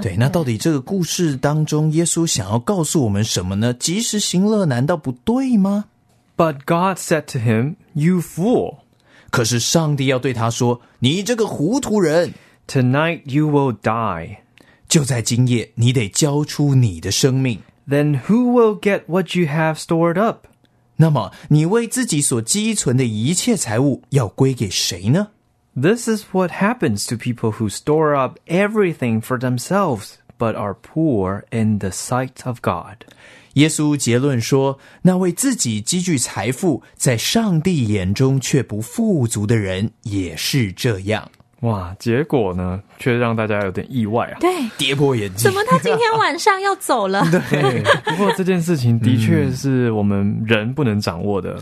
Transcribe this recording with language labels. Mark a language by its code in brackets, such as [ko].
[zh] 对，那到底这个故事当中耶稣想要告诉我们什么呢？及时行乐难道不对吗？ [en] But God said to him, You fool. [zh] 可是上帝要对他说，你这个糊涂人。 [en] Tonight you will die. [zh] 就在今夜你得交出你的生命。 [en] Then who will get what you have stored up? [zh] 那么你为自己所积存的一切财物要归给谁呢？ [en] This is what happens to people who store up everything for themselves, but are poor in the sight of God. [zh] 耶稣结论说，那为自己积聚财富，在上帝眼中却不富足的人也是这样。哇，结果呢却让大家有点意外啊。对，跌破眼镜。怎么他今天晚上要走了？对，不过这件事情的确是我们人不能掌握的。